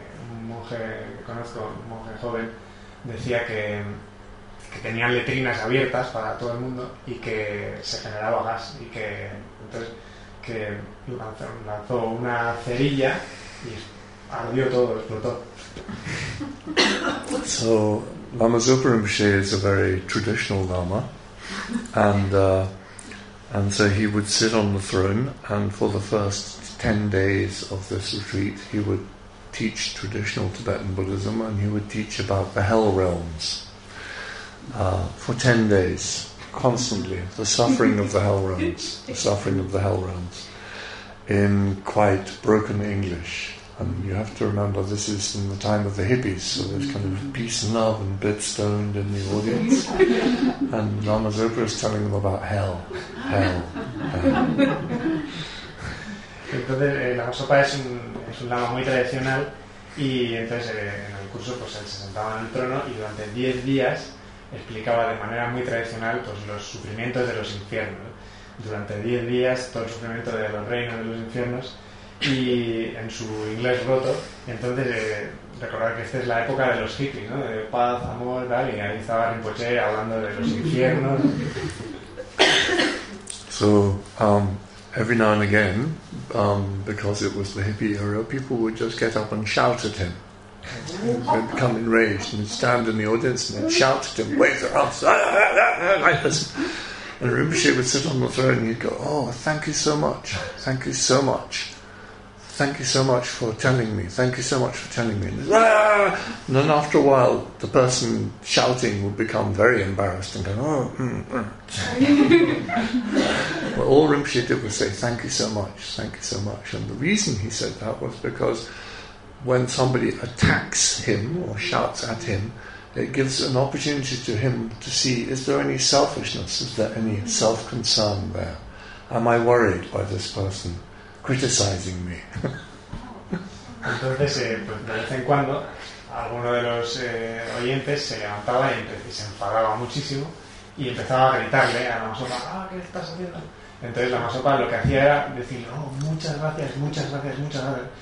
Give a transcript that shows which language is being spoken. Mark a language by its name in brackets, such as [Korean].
[Spanish] un monje que conozco, un monje joven, decía que tenían letrinas abiertas para todo el mundo y que se generaba gas, y que entonces que lanzó una cerilla y ardió todo, explotó. [English] So Lama Zopa Rinpoche is a very traditional lama, and so he would sit on the throne, and for the first 10 days of this retreat he would teach traditional Tibetan Buddhism, and he would teach about the hell realms for 10 days constantly, the suffering of the hell realms, the suffering of the hell realms, in quite broken English. And you have to remember, this is in the time of the hippies, so there's kind of peace and love and bit stoned in the audience. And Lama Zopa is telling them about hell, hell, hell. [Spanish] Entonces, Lama Zopa es un lama muy tradicional, y entonces en el curso pues él se sentaba en el trono y durante 10 días explicaba de manera muy tradicional pues los sufrimientos de los infiernos. Durante 10 días todo el sufrimiento de los reinos de los infiernos, y en su inglés roto. Entonces, recordar que esta es la época de los hippies, ¿no? De paz, amor, tal, y ahí estaba Rinpoche hablando de los infiernos. [English] So, every now and again, because it was the hippie era, people would just get up and shout at him. They'd become enraged and stand in the audience and shout at him, wave their arms, like this. And Rinpoche would sit on the throne and he'd go, oh, thank you so much, thank you so much. Thank you so much for telling me. Thank you so much for telling me. And then after a while, the person shouting would become very embarrassed and go, oh. But all Rinpoche did was say, thank you so much, thank you so much. And the reason he said that was because when somebody attacks him or shouts at him, it gives an opportunity to him to see, is there any selfishness? Is there any self-concern there? Am I worried by this person criticizing me? [Spanish] Entonces, pues de vez en cuando, alguno de los oyentes se levantaba y se enfadaba muchísimo y empezaba a gritarle a Lama Zopa, ah, ¿qué estás haciendo? Entonces Lama Zopa lo que hacía era decirle, oh, muchas gracias, muchas gracias, muchas gracias.